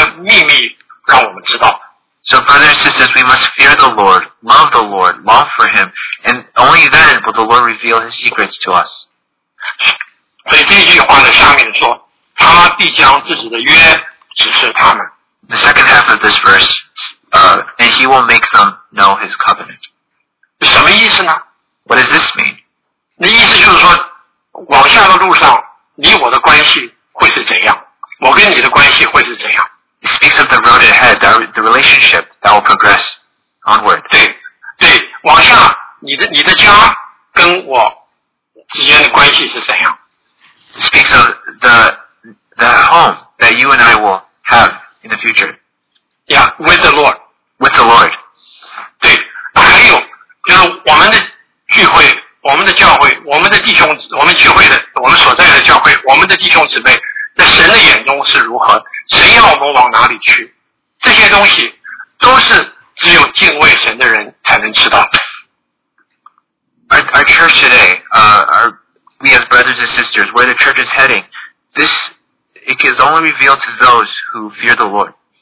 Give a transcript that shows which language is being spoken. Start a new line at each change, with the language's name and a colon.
Chinese: 这告诉我们说，我们要爱他，我们要敬畏他，我们要觉得主啊，你是宝贵。假如是这样的话，神就会把他的秘密让我们知道。
English: So brothers and sisters, we must fear the Lord, love the Lord, long for Him, and only then will the Lord reveal His secrets to us.
Chinese: 所以这句话呢，下面说，他必将自己的约指示他们。
English: The second half of this verse, and He will make them know His covenant.
Chinese: 什么意思呢?
English: What does this mean?
Chinese: 那意思就是说，往下的路上，你我的关系会是怎样？我跟你的关系会是怎样？
English: It speaks of the road ahead, the relationship that will progress onward.
Chinese: 对，往下，你的家跟你的家会是怎样？跟我之间的关系是怎样。
English: Speaks of the home that you and I will have in the future. Yeah, with the Lord. With the Lord.
Chinese: 对，还有就是我们的聚会，我们的教会，我们的弟兄，我们聚会的，我们所在的教会，我们的弟兄姊妹，在神的眼中是如何？神要我们往哪里去？这些东西都是只有敬畏神的人才能知道。
English: Our church today, we as brothers and sisters, where the church is heading, this it is only revealed to those who fear the Lord.